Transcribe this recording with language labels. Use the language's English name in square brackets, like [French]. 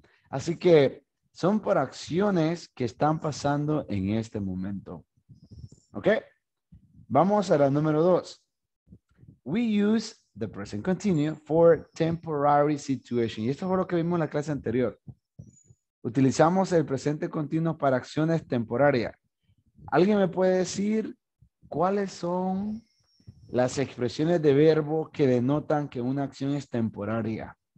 [Spanish] Así que son por acciones que están pasando en este momento. Ok. Vamos a la número dos. [English] We use the present continuous for temporary situation. [Spanish] Y esto fue lo que vimos en la clase anterior. Utilizamos el presente continuo para acciones temporarias. ¿Alguien me puede decir cuáles son las expresiones de verbo que denotan que una acción es temporaria?